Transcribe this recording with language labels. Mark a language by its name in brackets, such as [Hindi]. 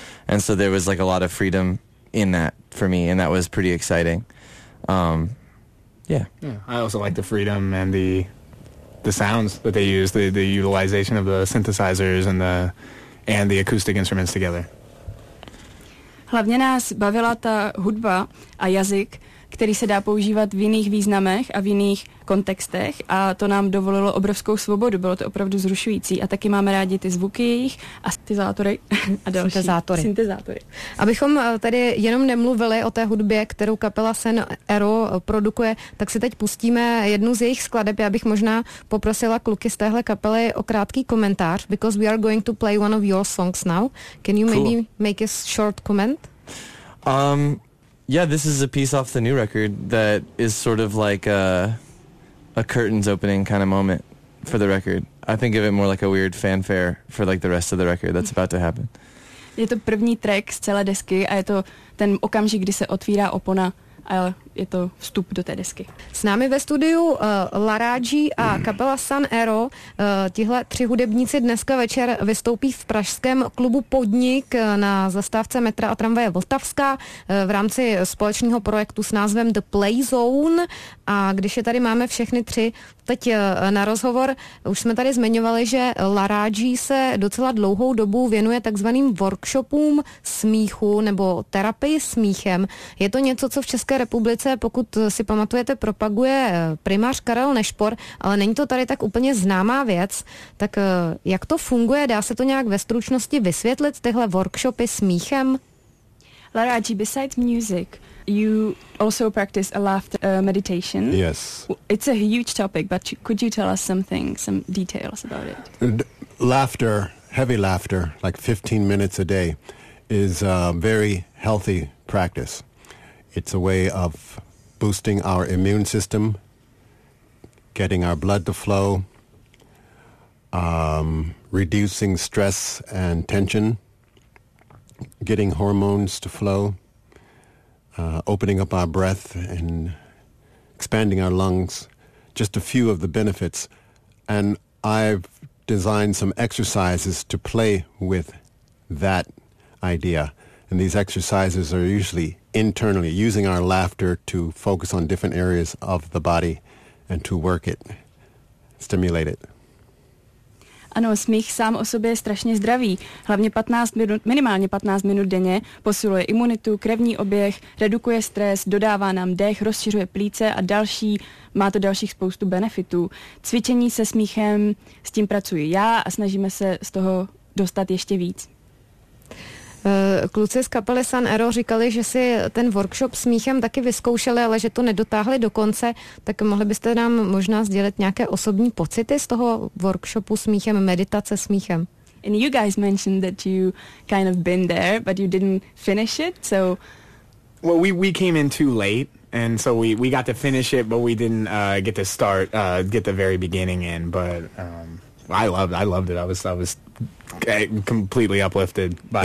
[English] And so there was like a lot of freedom in that for me, and that was pretty exciting. I also like the freedom and the sounds that they use, the utilization of the synthesizers and the acoustic instruments together. [Czech] Hlavně nás bavila ta hudba a jazyk, který se dá používat v jiných významech a v jiných kontextech, a to nám dovolilo obrovskou svobodu, bylo to opravdu vzrušující. A taky máme rádi ty zvuky jejich a syntezátory a další. Syntezátory. Abychom tady jenom nemluvili o té hudbě, kterou kapela Sen Ero produkuje, tak si teď pustíme jednu z jejich skladeb. Já bych možná poprosila kluky z téhle kapely o krátký komentář, [English] because we are going to play one of your songs now. Can you maybe make a short comment? Yeah, this is a piece off the new record that is sort of like a curtains opening kind of moment for the record. I think of it more like a weird fanfare for like the rest of the record that's about to happen. [Czech] Je to první track z celé desky a je to ten okamžik, kdy se otvírá opona a je to vstup do té desky. S námi ve studiu Laragi a kapela Sun Aero. Tihle tři hudebníci dneska večer vystoupí v pražském klubu Podnik na zastávce metra a tramvaje Vltavská v rámci společného projektu s názvem The Play Zone. A když je tady máme všechny tři teď na rozhovor, už jsme tady zmiňovali, že Laragi se docela dlouhou dobu věnuje takzvaným workshopům smíchu nebo terapii smíchem. Je to něco, co v České republice, pokud si pamatujete, propaguje primář Karel Nešpor, ale není to tady tak úplně známá věc. Tak jak to funguje? Dá se to nějak ve stručnosti vysvětlit, tyhle workshopy smíchem? [English] Laragi, besides music, you also practice a laughter meditation. Yes. It's a huge topic, but could you tell us something, some details about it? Laughter, heavy laughter, like 15 minutes a day, is a very healthy practice. It's a way of boosting our immune system, getting our blood to flow, reducing stress and tension, getting hormones to flow, opening up our breath and expanding our lungs, just a few of the benefits. And I've designed some exercises to play with that idea. And these exercises are usually internally, using our laughter to focus on different areas of the body and to work it, stimulate it. [Czech] Ano, smích sám o sobě je strašně zdravý. Hlavně 15 minut, minimálně 15 minut denně posiluje imunitu, krevní oběh, redukuje stres, dodává nám dech, rozšiřuje plíce a další, má to dalších spoustu benefitů. Cvičení se smíchem, s tím pracuji já a snažíme se z toho dostat ještě víc. Kluci z kapely Sun Aero říkali, že si ten workshop smíchem taky vyzkoušeli, ale že to nedotáhli do konce, tak mohli byste nám možná sdělit nějaké osobní pocity z toho workshopu smíchem, meditace smíchem? [English] And you guys mentioned that you kind of been there, but you didn't finish it, so... Well, we came in too late, and so we got to finish it, but we didn't get to start, get the very beginning in, but... I loved it. I was completely uplifted by